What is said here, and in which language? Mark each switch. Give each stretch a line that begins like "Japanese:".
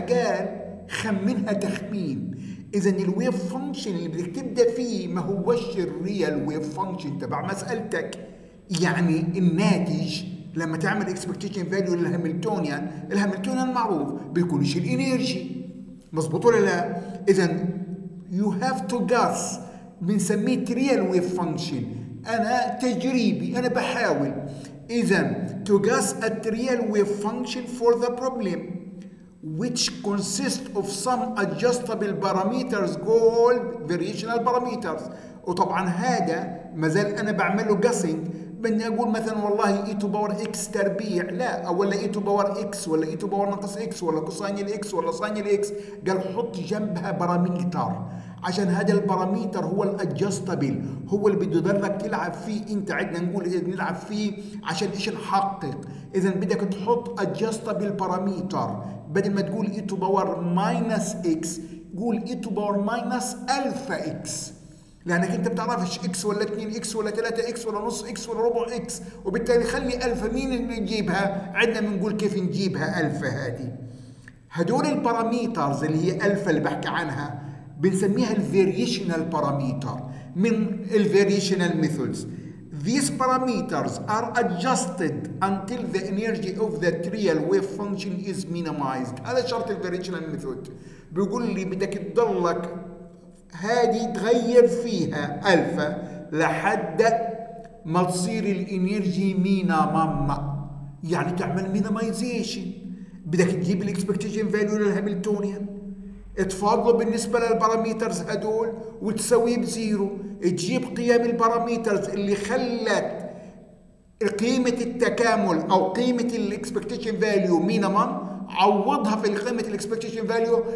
Arabic: قال خمنها تخمين. اذا الويف فانكشن اللي بدك تبدا فيه ما هوش الريال ويف فانكشن تبع مسالتك، يعني الناتج لما تعمل اكسبكتيشن فاليو للهاملتونيان، الهاملتونيان معروف بيكونش الانرجي، مظبوط ولا لا؟ اذا
English: you have to guess,
Arabic: بنسميه ريال ويف فانكشن. أنا تجريبي، أنا بحاول.
English: إذن to guess a real wave function for the problem which consists of some adjustable parameters called variational parameters.
Arabic: وطبعا هذا مازال أنا بعمله guessing، بني أقول مثلا والله e to power x تربيع، لا، ولا e to power x، ولا e to power ناقص x، ولا cosine x، ولا sine x. قال حط جنبها parameter عشان هذا البراميتر هو الادجستابل، هو اللي بده يضلك تلعب فيه. انت عدنا نقول اذا نلعب فيه عشان ايش نحقق. اذا بدك تحط ادجستابل باراميتر، بدل ما تقول اي تو باور ماينس اكس قول اي تو باور ماينس الفا اكس، لانك انت بتعرفش اكس ولا 2 اكس ولا 3 اكس ولا نص اكس ولا ربع اكس، وبالتالي خلي الفا. مين اللي نجيبها؟ عدنا بنقول كيف نجيبها الفا. هذه هدول البراميترز اللي هي الفا اللي بحكي عنها بنسميها الـ variational parameter من الـ variational methods.
English: These parameters are adjusted until the energy of the trial wave function is minimized.
Arabic: هذا شرط الـ variational method. بيقول لي بدك تضلك هذه تغير فيها ألفا لحد ما تصير الـ energy minimum، يعني تعمل minimization. بدك تجيب الاكسبكتيشن فاليو للهاملتونيان، تفاضله بالنسبه للباراميترز هدول وتسويه بزيرو، تجيب قيم الباراميترز اللي خلت قيمه التكامل او قيمه الاكسبكتيشن فاليو مينيمم، عوضها في قيمه الاكسبكتيشن فاليو.